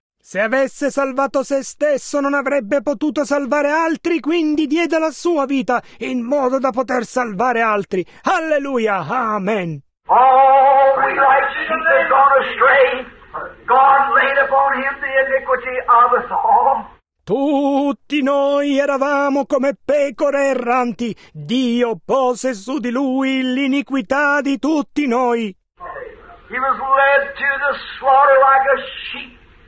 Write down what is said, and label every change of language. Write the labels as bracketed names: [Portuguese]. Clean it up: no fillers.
[Italian] Se avesse salvato se stesso non avrebbe potuto salvare altri, quindi diede la sua vita in modo da poter salvare altri. Alleluia! Amen! [English] Oh, we like sheep that gone astray. God laid upon him the iniquity of us all. [Italian] Tutti noi eravamo come pecore erranti. Dio pose su di lui l'iniquità di tutti noi. [English] He was led to the slaughter like a sheep.